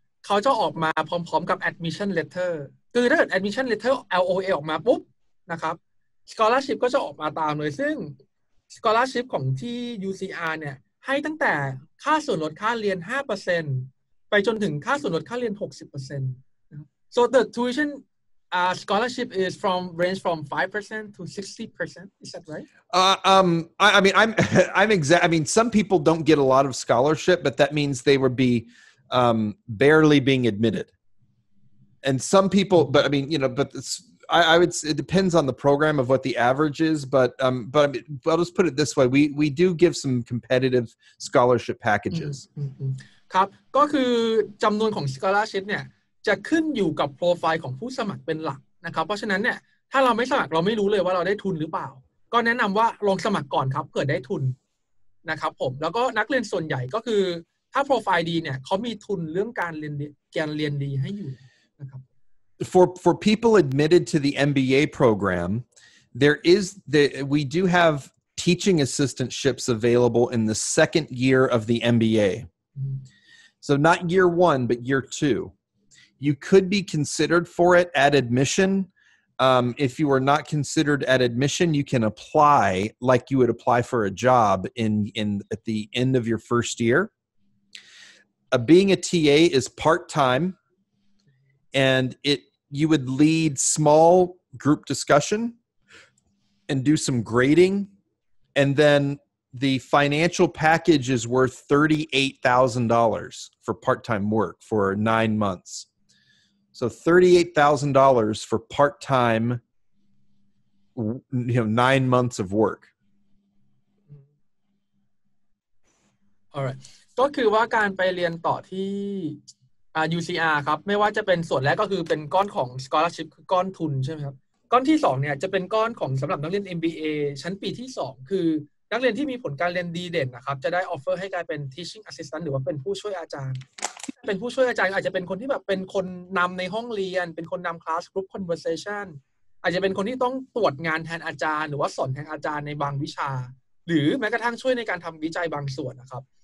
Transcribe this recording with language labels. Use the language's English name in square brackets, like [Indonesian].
[Thai] เขาจะออกมาพร้อมๆกับ admission letter คือถ้าเกิด admission letter LOA ออกมาปุ๊บนะครับ scholarship ก็จะออกมาตามเลยซึ่ง scholarship ของที่ UCR เนี่ยให้ตั้งแต่ค่าส่วนลดค่าเรียน 5% ไปจนถึงค่าส่วนลดค่าเรียน 60% [English] so the tuition scholarship is from range from 5% to 60% is that right I mean some people don't get a lot of scholarship but that means they would beBarely being admitted, and some people. But I mean, you know, but this, I would. It depends on the program of what the average is. But I mean, I'll just put it this way: we do give some competitive scholarship packages. [Thai] ครับก็คือจำนวนของ scholarship เนี่ยจะขึ้นอยู่กับ profile ของผู้สมัครเป็นหลักนะครับเพราะฉะนั้นเนี่ยถ้าเราไม่สมัครเราไม่รู้เลยว่าเราได้ทุนหรือเปล่าก็แนะนำว่าลองสมัครก่อนครับเผื่อได้ทุนนะครับผมแล้วก็นักเรียนส่วนใหญ่ก็คือถ้าโปรไฟล์ดีเนี่ยเขามีทุนเรื่องการเรียนการเรียนดีให้อยู่นะครับ [English] for people admitted to the MBA program there is the we do have teaching assistantships available in the second year of the MBA so not year 1 but year 2 you could be considered for it at admission if you are not considered at admission you can apply like you would apply for a job in at the end of your first yearBeing a TA is part-time, and you would lead small group discussion and do some grading, and then the financial package is worth $38,000 for part-time work for 9 months. So $38,000 for part-time, you know, 9 months of work. All right. [Thai] ก็คือว่าการไปเรียนต่อที่ UCR ครับไม่ว่าจะเป็นส่วนแรกก็คือเป็นก้อนของ scholarship คือก้อนทุนใช่ไหมครับก้อนที่สองเนี่ยจะเป็นก้อนของสำหรับนักเรียน MBA ชั้นปีที่สองคือนักเรียนที่มีผลการเรียนดีเด่นนะครับจะได้ออฟเฟอร์ให้กลายเป็น teaching assistant หรือว่าเป็นผู้ช่วยอาจารย์เป็นผู้ช่วยอาจารย์อาจจะเป็นคนที่แบบเป็นคนนำในห้องเรียนเป็นคนนำ class group conversation อาจจะเป็นคนที่ต้องตรวจงานแทนอาจารย์หรือว่าสอนแทนอาจารย์ในบางวิชาหรือแม้กระทั่งช่วยในการทำวิจัยบางส่วนนะครับ